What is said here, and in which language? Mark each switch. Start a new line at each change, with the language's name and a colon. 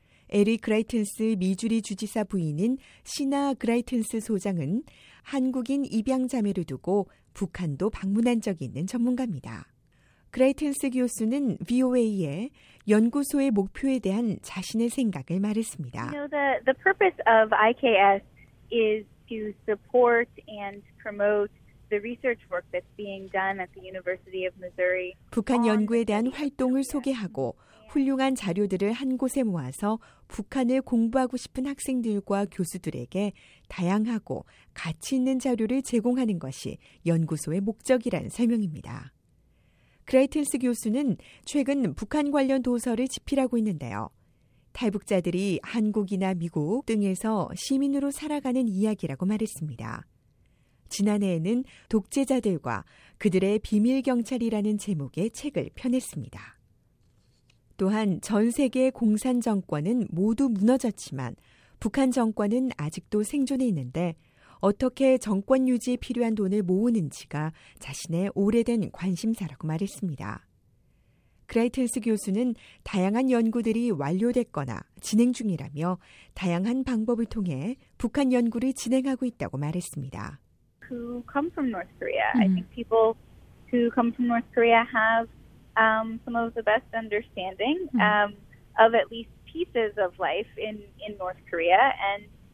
Korean: 에릭 그라이튼스 미주리 주지사 부인인 시나 그라이튼스 소장은 한국인 입양 자매를 두고 북한도 방문한 적이 있는 전문가입니다. 그라이튼스 교수는 VOA에 연구소의 목표에 대한 자신의 생각을 말했습니다.
English: You know, the purpose of IKS is to support and promote the research work that's being done at the University of Missouri.
Korean: 북한 연구에 대한 활동을 소개하고 훌륭한 자료들을 한 곳에 모아서 북한을 공부하고 싶은 학생들과 교수들에게 다양하고 가치 있는 자료를 제공하는 것이 연구소의 목적이란 설명입니다. 그라이튼스 교수는 최근 북한 관련 도서를 집필하고 있는데요. 탈북자들이 한국이나 미국 등에서 시민으로 살아가는 이야기라고 말했습니다. 지난해에는 독재자들과 그들의 비밀경찰이라는 제목의 책을 펴냈습니다. 또한 전 세계 공산 정권은 모두 무너졌지만 북한 정권은 아직도 생존해 있는데 어떻게 정권 유지에 필요한 돈을 모으는지가 자신의 오래된 관심사라고 말했습니다. 그라이튼스 교수는 다양한 연구들이 완료됐거나 진행 중이라며 다양한 방법을 통해 북한 연구를 진행하고 있다고 말했습니다.
English: Who come from North Korea? I think people who come from North Korea have some of the best understanding of at least pieces of life in North Korea and